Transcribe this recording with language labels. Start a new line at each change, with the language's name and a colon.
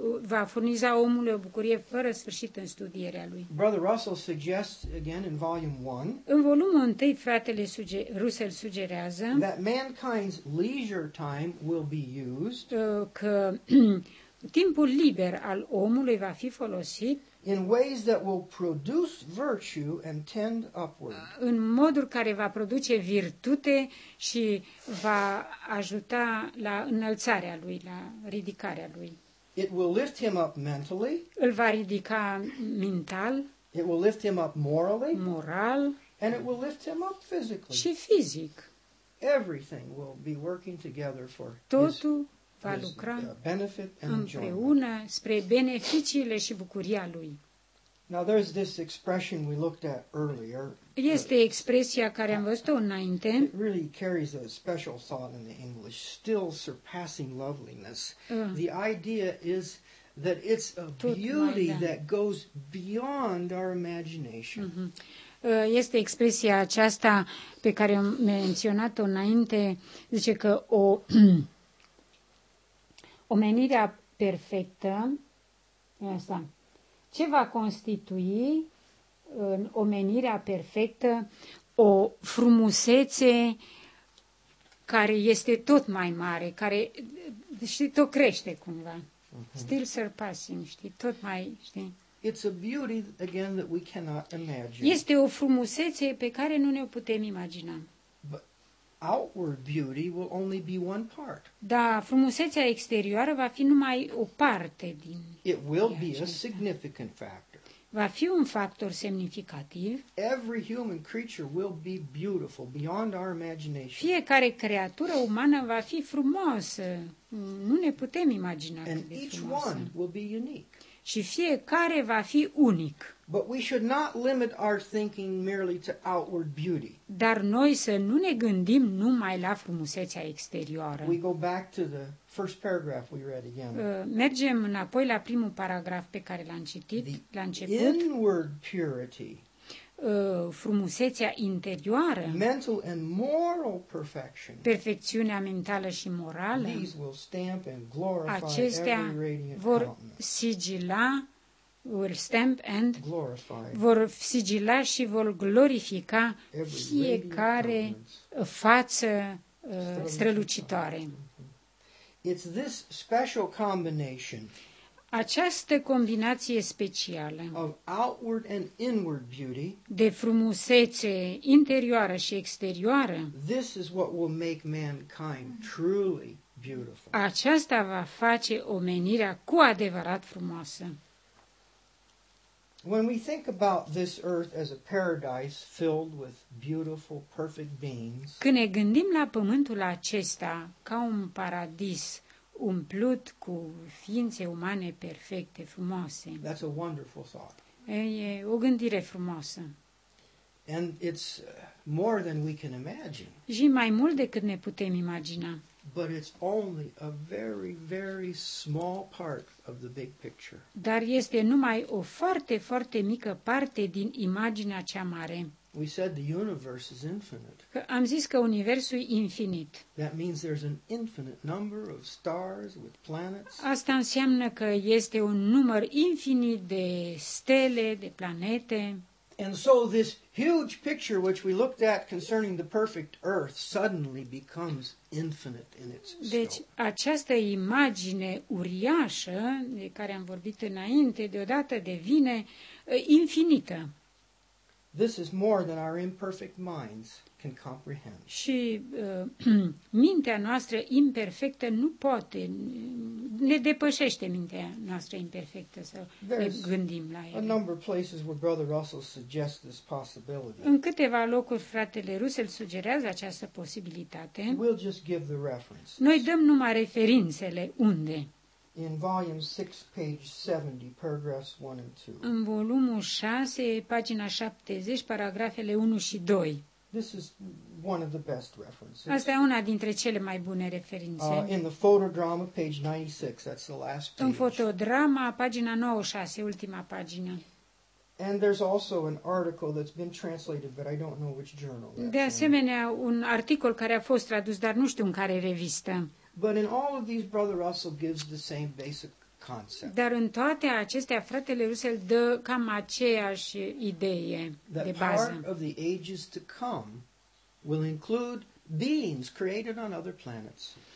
Romanian: va furniza omului o bucurie fără sfârșit în studierea lui.
English: Brother Russell suggests again in volume 1.
Romanian: În volumul 1, fratele Russell sugerează
English: that mankind's leisure time will be used
Romanian: că timpul liber al omului va fi folosit
English: in ways that will produce virtue and tend upward.
Romanian: În moduri care va produce virtute și va ajuta la înălțarea lui, la ridicarea lui.
English: It will lift him up mentally.
Romanian: Îl va ridica mental.
English: It will lift him up morally.
Romanian: Moral.
English: And it will lift him up physically.
Romanian: Și fizic.
English: Everything will be working together for
Romanian: totul. Va lucra împreună spre beneficiile și bucuria lui.
English: Now there's this expression we looked at earlier.
Romanian: Este expresia care am văzut-o înainte.
English: It really carries a special thought in the English. Still surpassing loveliness. The idea is that it's a beauty that goes beyond our imagination.
Romanian: Este expresia aceasta pe care am menționat-o înainte. Zice că omenirea perfectă, asta, ce va constitui în omenirea perfectă o frumusețe care este tot mai mare, care, știi, tot crește cumva. Uh-huh.
English: Still surpassing,
Romanian: știi, tot mai, știi.
English: It's a beauty, again, that we cannot imagine.
Romanian: Este o frumusețe pe care nu ne-o putem imagina.
English: Outward beauty will only be one part.
Romanian: Da, frumusețea exterioară va fi numai o parte din.
English: It will be a significant factor.
Romanian: Va fi un factor semnificativ.
English: Every human creature will be beautiful beyond our imagination.
Romanian: Fiecare creatură umană va fi frumoasă. Nu ne putem imagina.
English: And each one will be unique.
Romanian: Și fiecare va fi unic.
English: But we should not limit our thinking merely to outward beauty.
Romanian: Dar noi să nu ne gândim numai la frumusețea exterioară.
English: We go back to the first paragraph we read again.
Romanian: Mergem înapoi la primul paragraf pe care l-am citit la început.
English: Inward purity.
Romanian: Frumusețea interioară.
English: Mental and moral perfection.
Romanian: Perfecțiunea mentală și morală.
English: These will stamp and glorify
Romanian: acestea
English: every radiant
Romanian: vor
English: countenance.
Romanian: Sigila.
English: Will stamp and glorify.
Romanian: Vor sigila și vor glorifica fiecare față strălucitoare.
English: It's this special combination.
Romanian: Această combinație specială
English: of outward and inward beauty,
Romanian: de frumusețe interioară și exterioară,
English: this is what will make mankind truly beautiful.
Romanian: Aceasta va face omenirea cu adevărat frumoasă.
English: When we think about this earth as a paradise filled with beautiful, perfect beings,
Romanian: când ne gândim la pământul acesta ca un paradis umplut cu ființe umane perfecte, frumoase,
English: that's a wonderful thought.
Romanian: E o gândire frumoasă.
English: And it's more than we can imagine.
Romanian: Și mai mult decât ne putem imagina.
English: But it's only a very, very small part of the big picture.
Romanian: Dar este numai o foarte, foarte mică parte din imaginea cea mare.
English: We said the universe is infinite.
Romanian: Am zis că universul e infinit.
English: That means there's an infinite number of stars with planets.
Romanian: Asta înseamnă că este un număr infinit de stele, de planete.
English: And so this huge picture which we looked at concerning the perfect earth suddenly becomes infinite in its scope.
Romanian: Deci această imagine uriașă de care am vorbit înainte deodată devine infinită.
English: This is more than our imperfect minds can comprehend.
Romanian: Și mintea noastră imperfectă nu poate ne depășește mintea noastră imperfectă să ne gândim la ele.
English: A number of places where Brother Russell suggests this possibility.
Romanian: În câteva locuri fratele Russell sugerează această posibilitate.
English: We'll just give the reference.
Romanian: Noi dăm numai referințele unde.
English: In volume 6, page 70, paragraphs 1 and 2.
Romanian: În volumul 6, pagina 70, paragrafele 1 și 2.
English: This is one of the best references.
Romanian: Asta e una dintre cele mai bune referințe.
English: In the photodrama, page 96, that's the last page.
Romanian: În fotodrama, pagina 96, ultima pagină.
English: And there's also an article that's been translated, but I don't know which journal.
Romanian: De asemenea, un articol care a fost tradus, dar nu știu în care revistă.
English: But in all of these, Brother Russell gives the same basic concept.
Romanian: Dar în toate acestea, fratele Russell dă cam aceeași idee de bază.
English: That part of the ages to come will include beings created on other planets.